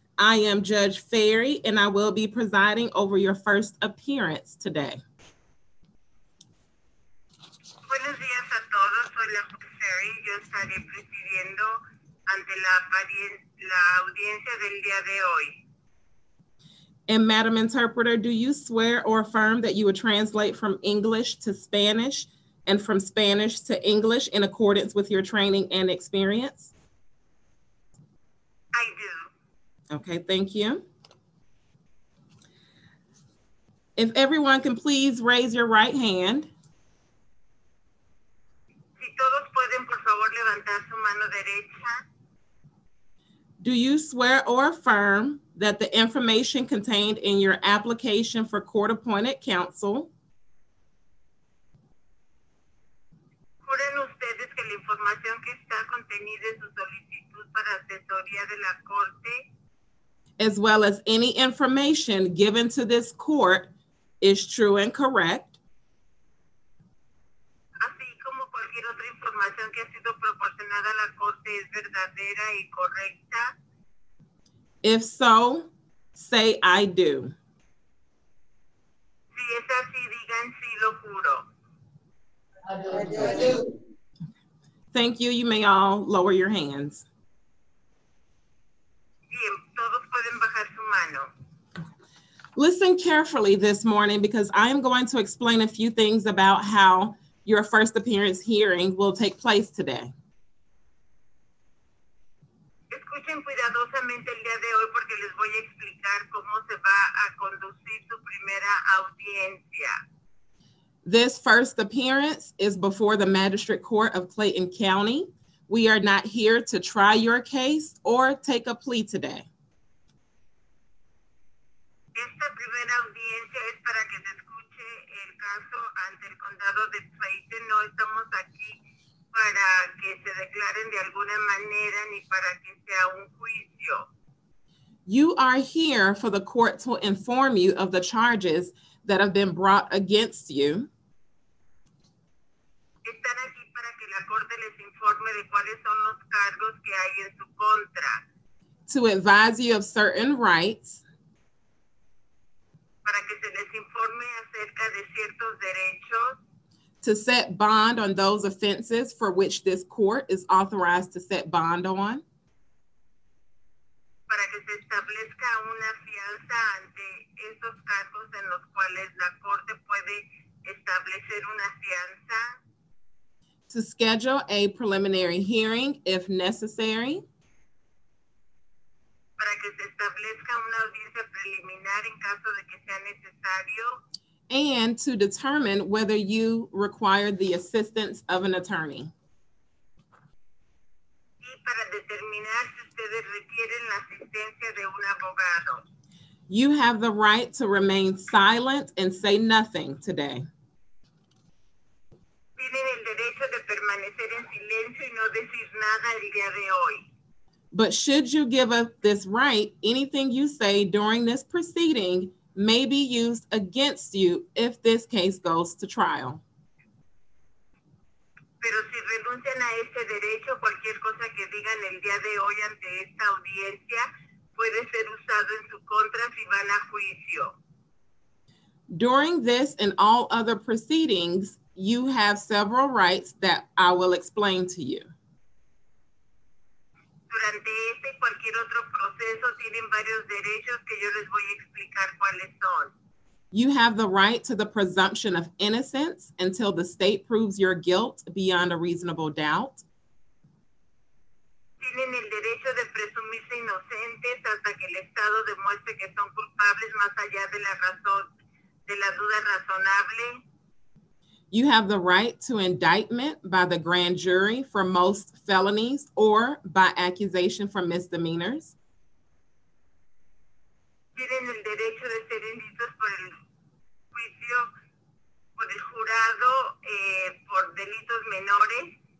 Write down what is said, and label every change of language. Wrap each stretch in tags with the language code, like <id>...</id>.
<en>I am Judge Ferry, and I will be presiding over your first appearance today.</en> <es>Buenos días a todos. Soy la Judge Ferry. Yo estaré presidiendo ante la audiencia del día de hoy.</es> <en>And Madam Interpreter, do you swear or affirm that you would translate from English to Spanish and from Spanish to English in accordance with your training and experience? I do. Okay, thank you. If everyone can please raise your right hand.</en> <es>Si todos pueden, por favor, levantar su mano derecha.</es> <en>Do you swear or affirm that the information contained in your application for court-appointed counsel?</en> <es>¿Juran ustedes que la información que está contenida en su solicitud para asesoría de la corte,</es> <en>as well as any information given to this court, is true and correct?</en> <es>Así como cualquier otra información que ha sido proporcionada a la corte es verdadera y correcta.</es> <en>If so, say I do.</en> <es>Si es así, digan sí, lo juro.</es> <en>I do. Thank you. You may all lower your hands.</en> <es>Bien, todos pueden bajar su mano.</es> <en>Listen carefully this morning because I am going to explain a few things about how your first appearance hearing will take place today.</en> <es>Escuchen cuidadosamente el día de hoy porque les voy a explicar cómo se va a conducir su primera audiencia.</es> <en>This first appearance is before the Magistrate Court of Clayton County. We are not here to try your case or take a plea today.</en> <es>Esta primera audiencia es para que se escuche el caso ante el condado de Clayton. No estamos aquí para que se declaren de alguna manera ni para que sea un juicio.</es> <en>You are here for the court to inform you of the charges that have been brought against you.</en> <es>Están aquí para que la corte les informe de cuáles son los cargos que hay en su contra.</es> <en>To advise you of certain rights.</en> <es>Para que se les informe acerca de ciertos derechos.</es> <en>To set bond on those offenses for which this court is authorized to set bond on.</en> <es>Para que se establezca una fianza ante esos cargos en los cuales la corte puede establecer una fianza.</es> <en>To schedule a preliminary hearing if necessary.</en> <es>Para que se establezca una audiencia preliminar en caso de que sea necesario.</es> <en>And to determine whether you require the assistance of an attorney.</en> <es>Y para determinar si ustedes requieren la asistencia de un abogado.</es> <en>You have the right to remain silent and say nothing today.</en> <es>Tienen el derecho de permanecer en silencio y no decir nada el día de hoy.</es> <en>But should you give up this right, anything you say during this proceeding may be used against you if this case goes to trial.</en> <es>Pero si renuncian a este derecho, cualquier cosa que digan el día de hoy ante esta audiencia puede ser usado en su contra si van a juicio.</es> <en>During this and all other proceedings, you have several rights that I will explain to you.</en> <es>Durante este y cualquier otro proceso tienen varios derechos que yo les voy a explicar cuáles son.</es> <en>You have the right to the presumption of innocence until the state proves your guilt beyond a reasonable doubt.</en> <es>Tienen el derecho de presumirse inocentes hasta que el Estado demuestre que son culpables más allá de la razón, de la duda razonable.</es> <en>You have the right to indictment by the grand jury for most felonies or by accusation for misdemeanors.</en> <es>Tienen el derecho de ser indictos por el juicio, por el jurado, por delitos menores.</es>